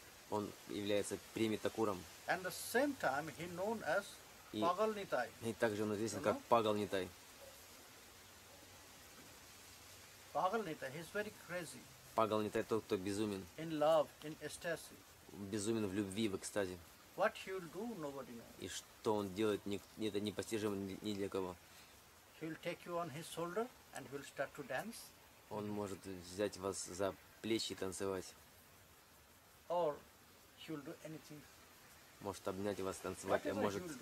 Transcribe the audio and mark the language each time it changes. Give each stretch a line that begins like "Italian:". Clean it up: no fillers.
Russian: Он является премитакуром.
English: And the same time he known as Pagal Nitai.
Russian: И также он известен как Pagal Nitai.
English: Pagal Nitai, he's very crazy.
Russian: Pagal Nitai тот, кто безумен.
English: In love, in ecstasy.
Russian: Безумен в любви, в экстазе.
English: What he'll do, nobody knows.
Russian: И что он делает, это непостижимо ни для кого.
English: He'll take you on his shoulder and he'll start to dance.
Russian: Он может взять вас за плечи и танцевать.
English: Or he'll do anything.
Russian: Может обнять вас, танцевать, а может...